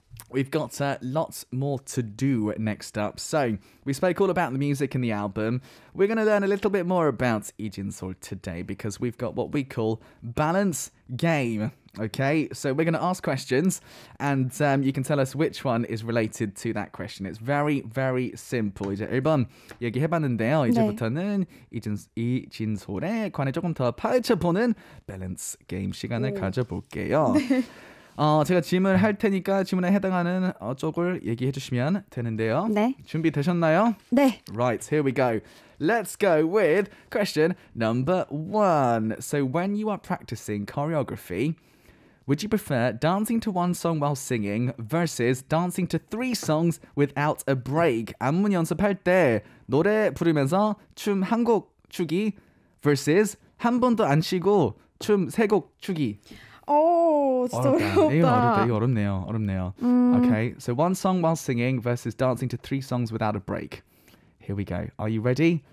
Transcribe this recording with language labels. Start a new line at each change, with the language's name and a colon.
English: We've got lots more to do next up. So, we spoke all about the music and the album. We're going to learn a little bit more about 이진솔 today because we've got what we call balance game. Okay, so we're going to ask questions and you can tell us which one is related to that question. It's very, very simple.
Korean: 이제 1번 얘기해봤는데요. 이제부터는 네. 이진솔에 관해 조금 더 파헤쳐보는 balance game 시간을 오. 가져볼게요. 네. 제가 질문을 할 테니까 질문에 해당하는 쪽을 얘기해 주시면 되는데요. 네. 준비되셨나요? 네.
English: Right, here we go. Let's go with question number one. So when you are practicing choreography, would you prefer dancing to one song while singing versus dancing to three songs without a break?
Korean: 안무 연습할 때 노래 부르면서 춤 한 곡 추기 versus 한 번도 안 쉬고 춤 세 곡 추기. 오, 진짜 어렵다. 어렵네요.
English: Okay, so one song while singing versus dancing to three songs without a break. Here we go. Are you ready?